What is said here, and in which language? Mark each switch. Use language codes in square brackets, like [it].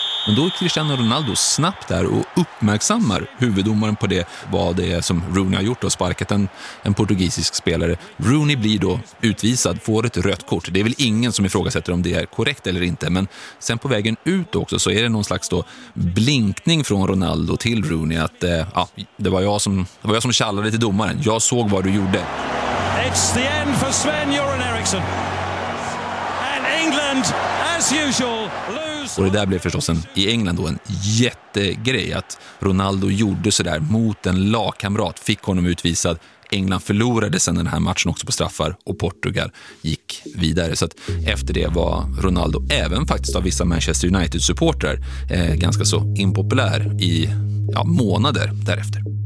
[sv] Men då är Cristiano Ronaldo snabbt där och uppmärksammar huvuddomaren på det, vad det är som Rooney har gjort och sparkat en portugisisk spelare. Rooney blir då utvisad, får ett rött kort. Det är väl ingen som ifrågasätter om det är korrekt eller inte. Men sen på vägen ut också så är det någon slags då blinkning från Ronaldo till Rooney att det var jag som tjallade till domaren. Jag såg vad du gjorde. [en] It's the end for Sven-Göran Eriksson. And England, as usual, lose. [sv] Och det där blev förstås en, i England då, en jättegrej att Ronaldo gjorde så där mot en lagkamrat, fick honom utvisad. England förlorade sedan den här matchen också på straffar och Portugal gick vidare. Så att efter det var Ronaldo även faktiskt av vissa Manchester United-supportrar ganska så impopulär i månader därefter.